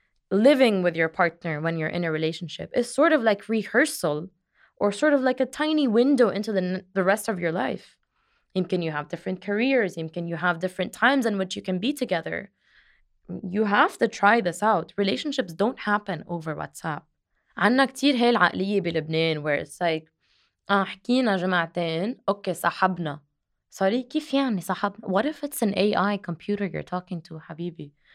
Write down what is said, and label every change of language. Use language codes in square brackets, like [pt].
[en] Living with your partner when you're in a relationship is sort of like rehearsal or sort of like a tiny window into the rest of your life. [ar] يمكن [en] you have different careers, يمكن you have different times in which you can be together. You have to try this out. Relationships don't happen over WhatsApp. [ar] عنا كتير هاي العقلية بلبنان [en] where it's like, [ar] حكينا جمعتين, اوكي صحبنا. [en] Sorry, [ar] كيف يعني صحبنا? [en] What if it's an AI computer you're talking to, حبيبي?